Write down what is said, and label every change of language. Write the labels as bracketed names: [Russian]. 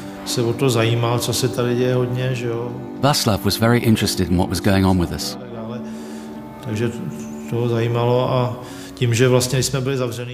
[Czech] se o to zajímal, co se tady děje hodně, že jo. [English] Václav was very interested in what was going on with us. [Czech] Takže to ho zajímalo a tím, že vlastně jsme byli zavřený.